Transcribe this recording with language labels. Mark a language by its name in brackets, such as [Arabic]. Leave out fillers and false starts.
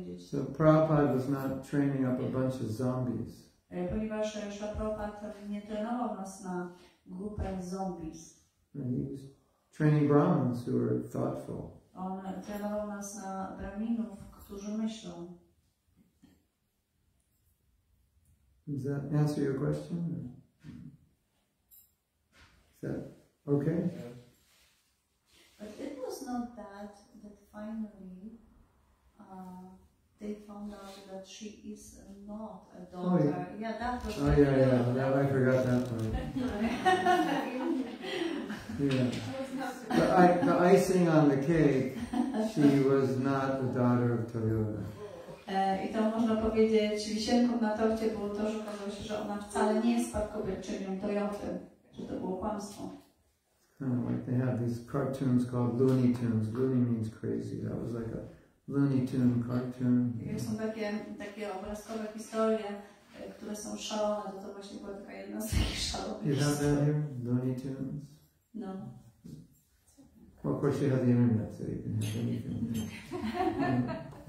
[English] so Prabhupada was not training up a bunch of zombies. [Polish] Ponieważ Śrīla Prabhupada nie trenował nas na grupę zombies. [English] He was training Brahmins who are thoughtful. [Polish] On trenował nas na Brahminów, którzy myślą. [English] Does that answer your question? Or? Is that okay? But it was not that that finally they found out that she is not a daughter. Oh, yeah. Yeah, that was. Oh yeah, yeah. Now I forgot that part. Yeah. The icing on the cake. She was not the daughter of Toyota. [Polish] I to można powiedzieć wisienką na torcie było to, że okazało się, że ona wcale nie jest spadkobierczynią Toyoty, że to było kłamstwo. [English] Kind of like they have these cartoons called Looney Tunes. Looney means crazy. That was like a Looney Tune cartoon. Yeah. [Polish] Są takie obrazkowe historie, które są szalone, to właśnie była taka jedna z takich szalonych. [English] You have that here? Looney Tunes? No. Well, of course you have the internet, so you can have anything.